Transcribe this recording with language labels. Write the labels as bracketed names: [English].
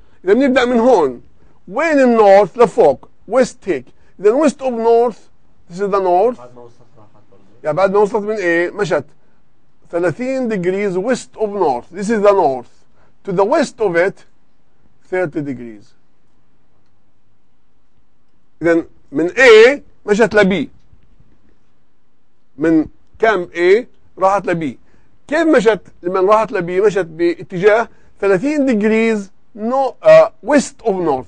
[Arabic] إذا بنبدأ من هون، وين النورث؟ لفوق، west هيك، إذا [English] west of north، this is the north. [Arabic] بعد ما وصلت راحت برضه. يعني بعد ما وصلت من A مشت [English] 30 degrees west of north، this is the north. To the west of it 30 degrees. [Arabic] إذا من A مشت لـ B. من كام A راحت لـ B. كيف مشت لما راحت لـ B؟ مشت باتجاه [English] 30 degrees west of north.